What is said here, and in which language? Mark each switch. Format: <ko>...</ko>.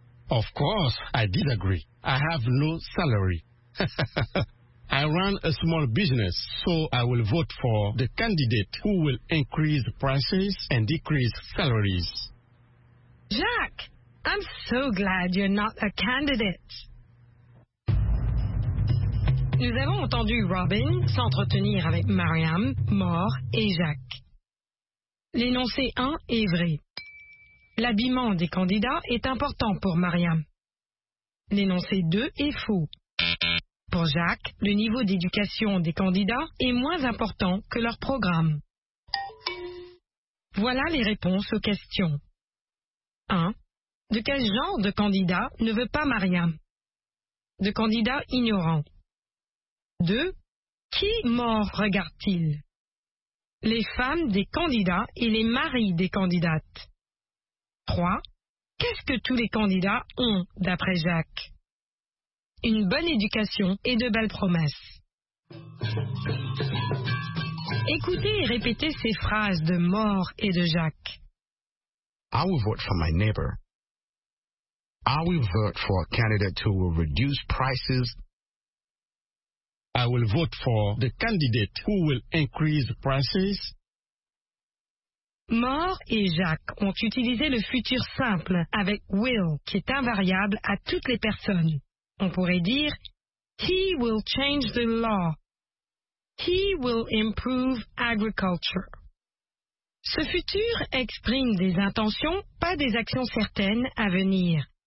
<en>Of course, I did agree. I have no salary. I run a small business, so I will vote for the candidate who will increase prices and decrease salaries. Jacques, I'm so glad you're not a candidate.</en> <fr>Nous avons entendu Robin s'entretenir avec Mariam, Moore et Jacques. L'énoncé 1 est vrai. L'habillement des candidats est important pour Mariam. L'énoncé 2 est faux. Pour Jacques, le niveau d'éducation des candidats est moins important que leur programme. Voilà les réponses aux questions. 1. De quel genre de candidat ne veut pas Mariam? De candidat ignorant. 2. Qui mort regarde-t-il? Les femmes des candidats et les maris des candidates. 3. Qu'est-ce que tous les candidats ont, d'après Jacques? Une bonne éducation et de belles promesses. Écoutez et répétez ces phrases de Maure et de Jacques.</fr> <en>I will vote for my neighbor. I will vote for a candidate who will reduce prices. I will vote for the candidate who will increase prices.</en> <fr>Maure et Jacques ont utilisé le futur simple avec will, qui est invariable à toutes les personnes. On pourrait dire,</fr> <en>he will change the law. He will improve agriculture.</en> <fr>Ce futur exprime des intentions, pas des actions certaines à venir.</fr>